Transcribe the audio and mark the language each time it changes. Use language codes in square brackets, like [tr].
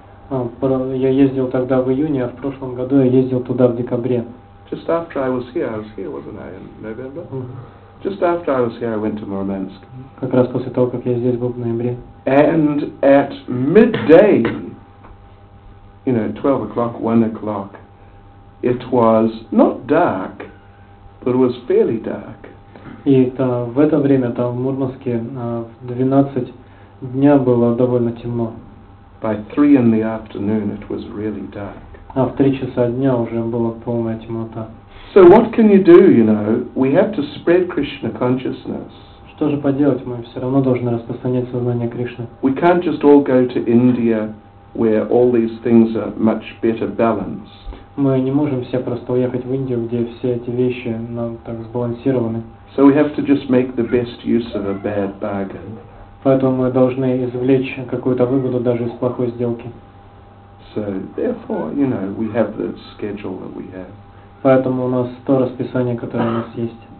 [ru] Я ездил тогда в июне, а в прошлом году я ездил туда в декабре. [en] Just after I was here, wasn't I, in November? Mm-hmm. Just after I was here, I went to Murmansk. [ru] Как раз после того, как я здесь был в ноябре. [en] And at midday, you know, 12 o'clock, 1 o'clock, it was not dark, but it was fairly dark. [ru] И это, в это время там в Мурманске в 12 дня было довольно темно. [en] By 3 in the afternoon, it was really dark. [ru] А в 3 часа дня уже была полная темнота. [en] So what can you do, you know? We have to spread Krishna consciousness. [ru] Что же поделать, мы все равно должны распространять сознание Кришны. [en] We can't just all go to India, where all these things are much better balanced. [ru] Мы не можем все просто уехать в Индию, где все эти вещи нам так сбалансированы. [en] So we have to just make the best use of a bad bargain. [ru] Поэтому мы должны извлечь какую-то выгоду даже из плохой сделки. [en] So therefore, you know, we have the schedule that we have. [ru] Поэтому у нас то расписание, которое у нас есть.